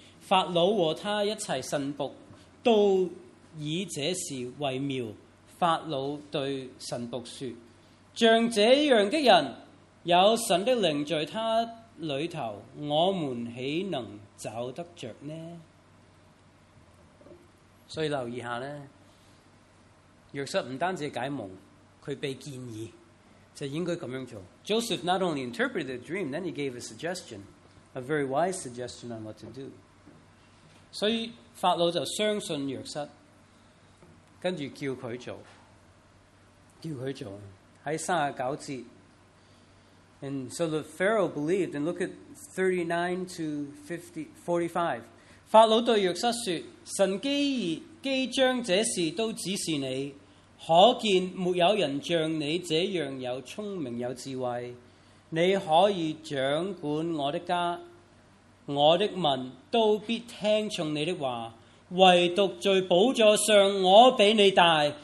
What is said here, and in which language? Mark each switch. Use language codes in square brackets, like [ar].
[zh] 法老和他一切臣仆都以这事为妙。法老对臣仆说：像这样的人有神的灵在他里头，我们岂能找得着呢？所以留意一下呢，约瑟不单止解梦，他被建议就应该这样做。 [en] Joseph not only interpreted the dream, then he gave a suggestion, a very wise suggestion on what to do. [zh] 所以法老就相信约瑟，跟着叫他做，叫他做。在39节， [en] And so the Pharaoh believed, and look at 39 to 45. [zh] 法老对约瑟说，神既将这事都指示你，可见没有人像你这样有聪明有智慧，你可以掌管我的家，我的民都必听从你的话，唯独在宝座上我比你大。